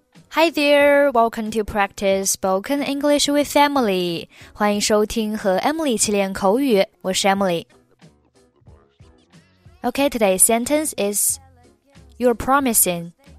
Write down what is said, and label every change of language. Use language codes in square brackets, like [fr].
[en] Hi there, welcome to practice spoken English with Emily. [zh] 欢迎收听和 Emily 一起练口语，我是 Emily. [en] Okay, today's sentence is You're promising.